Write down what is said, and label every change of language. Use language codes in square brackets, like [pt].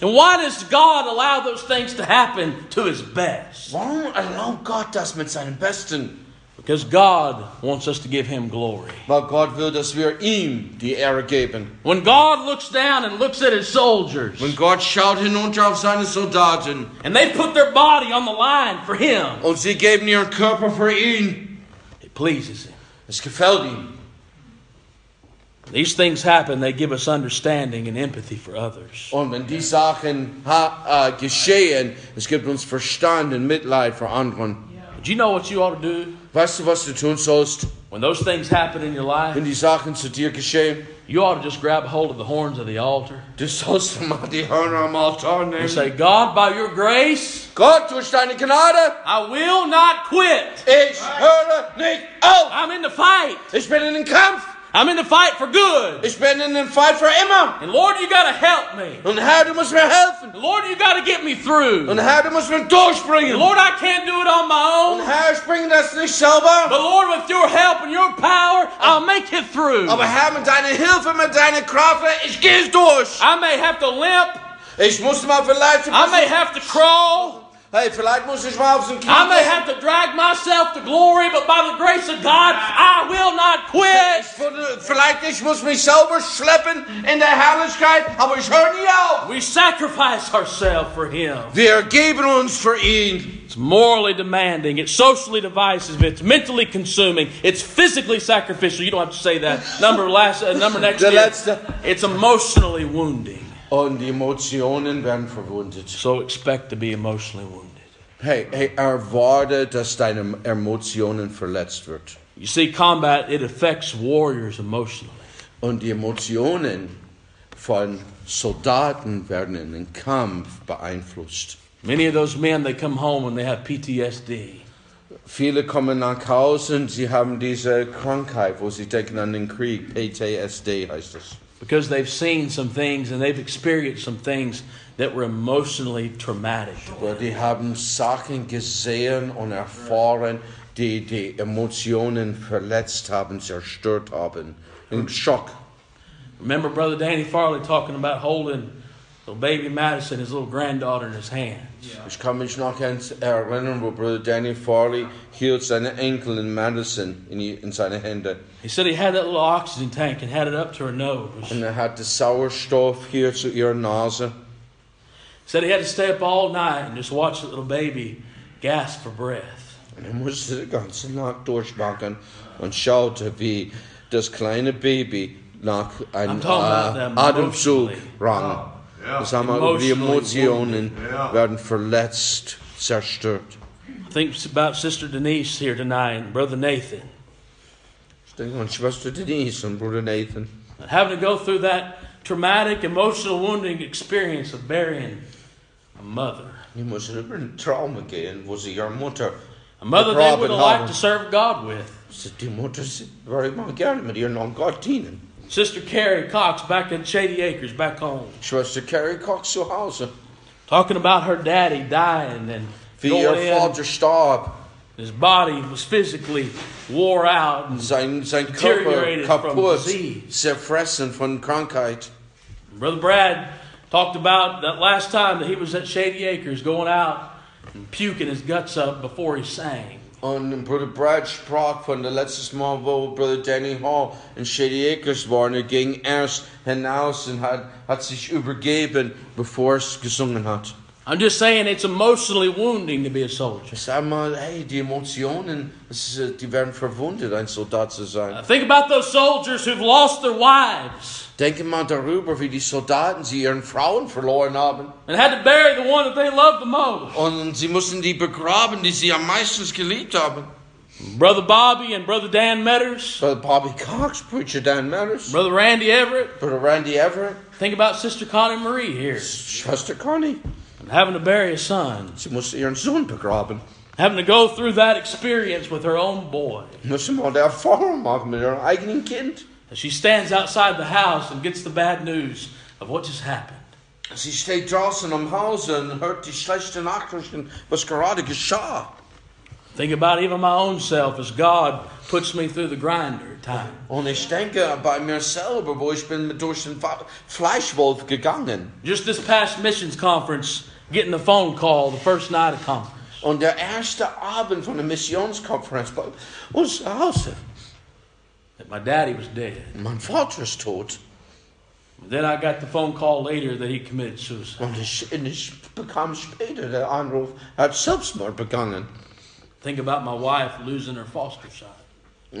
[en] And why does God allow those things to happen to his best? [de] Warum erlaubt Gott das mit seinem Besten? [en] Because God wants us to give him glory. [de] Weil Gott will, dass wir ihm die Ehre geben. [en] When God looks down and looks at his soldiers. When [de] God schaut hinunter auf seine Soldaten. [en] And they put their body on the line for him. [de] Und sie geben ihren Körper für ihn. [en] It pleases him. [de] Es gefällt ihm. [en] These things happen, they give us understanding and empathy for others. [de] Und wenn die Sachen geschehen, es gibt uns Verstand und Mitleid für anderen. [en] Do you know what you ought to do? [de] Weißt du, was du tun sollst? [en] When those things happen in your life, [de] wenn die Sachen zu dir geschehen, [en] you ought to just grab hold of the horns of the altar. [de] Du sollst mal die Hörner am Altar nehmen. [en] And say, God, by your grace, [de] Gott, durch deine Gnade, [en] I will not quit. [de] Ich höre nicht auf. [en] I'm in the fight. [de] Ich bin in den Kampf. [en] I'm in the fight for good. [de] Ich bin in den Fight für immer. [en] And Lord, you gotta help me. [de] Und Herr, du musst mir helfen. [en] Lord, you gotta get me through. [de] Und Herr, du musst mir durchbringen. [en] Lord, I can't do it on my own. [de] Und Herr, ich bringe das nicht selber. [en] But Lord, with your help and your power, I'll make it through. [de] Aber Herr, mit deiner Hilfe, mit deiner Kraft, ich geh's durch. [en] I may have to limp. [de] Ich muss mal vielleicht. [en] I may have to crawl. [de] Hey, vielleicht muss ich mal auf den Knie. [en] I may have to drag myself to glory, but by the grace of God, I will not quit. [de] Vielleicht ich muss mich selber schleppen in der Herrlichkeit, aber ich höre nie auf. [en] We sacrifice ourselves for him. [de] Wir geben uns für ihn. [en] It's morally demanding. It's socially divisive. It's mentally consuming. It's physically sacrificial. You don't have to say that. Number next year. It's emotionally wounding. [de] Und die Emotionen werden verwundet. [en] So expect to be emotionally wounded. [de] Hey, erwarte, dass deine Emotionen verletzt wird. [en] You see, combat, it affects warriors emotionally. [de] Und die Emotionen von Soldaten werden in den Kampf beeinflusst. [en] Many of those men, they come home and they have PTSD. [de] Viele kommen nach Hause und sie haben diese Krankheit, wo sie denken an den Krieg. PTSD heißt es. [en] Because they've seen some things and they've experienced some things that were emotionally traumatic. [de] Well, die haben Sachen gesehen und erfahren, die Emotionen verletzt haben, zerstört haben, in Schock. [en] Remember Brother Danny Farley talking about holding little baby Madison, his little granddaughter, in his hands. [de] Ich kann mich noch erinnern, wo Brother Danny Farley hielt seine Enkel in Madison in seine Hände. [en] He said he had that little oxygen tank and had it up to her nose. [de] Und hat den Sauerstoff hier zu ihrer Nase. [en] He said he had to stay up all night and just watch the little baby gasp for breath. [de] Und musste die ganze Nacht durchmachen und schaute, wie das kleine Baby nach einem Atemzug rang. Die Emotionen werden verletzt, zerstört. [en] I think it's about Sister Denise here tonight, and Brother Nathan. [de] Ich denke an Schwester Denise und Brother Nathan. [en] Having to go through that traumatic, emotional, wounding experience of burying a mother. [de] Die müssen über ein Trauma gehen, wo sie ihre Mutter. [en] A mother they would have liked to serve God with. [de] Die Mutter sie würde immer gerne mit ihr noch Gott dienen. [en] Sister Carrie Cox back in Shady Acres, back home. [de] Schwester Carrie Cox zu Hause. [en] Talking about her daddy dying and [de] wie ihr Vater starb. [en] His body was physically wore out and [de] sein deteriorated kaputt, from disease. Zerfressen von Krankheit. [en] Brother Brad talked about that last time that he was at Shady Acres going out and puking his guts up before he sang. [de] Und Bruder Brad sprach von der letzten Mal, wo Bruder Danny Hall in Shady Acres war, und ging erst hinaus und hat sich übergeben, bevor es gesungen hat. [en] I'm just saying it's emotionally wounding to be a soldier. [de] Sag mal, hey, die Emotionen, die werden verwundet, ein Soldat zu sein. [en] Think about those soldiers who've lost their wives. [de] Denke mal darüber, wie die Soldaten sie ihren Frauen verloren haben. [en] And had to bury the one that they loved the most. [de] Und sie mussten die begraben, die sie am meisten geliebt haben. [en] Brother Bobby and Brother Dan Metters. Brother Bobby Cox, Preacher Dan Metters. Brother Randy Everett. Brother Randy Everett. Think about Sister Connie Marie here. Sister Connie. And having to bury a son. [de] Sie musste ihren Sohn begraben. [en] Having to go through that experience with her own boy. [de] Musste mal der Erfahrung machen mit ihrem eigenen Kind. [en] As she stands outside the house and gets the bad news of what just happened. [de] Sie steht draußen am Haus und hört die schlechten Nachrichten, was gerade geschah. [en] Think about even my own self as God puts me through the grinder at times. [de] Und ich denke bei mir selber, wo ich bin durch den Fleischwolf gegangen. [en] Just this past missions conference, getting the phone call the first night of conference. [de] Und der erste Abend von der Missionskonferenz, was also. [en] That my daddy was dead. [de] Mein Vater ist tot. [en] Then I got the phone call later that he committed suicide. [de] Und ich bekam später der Anruf, hat Selbstmord begangen. [en] Think about my wife losing her foster son.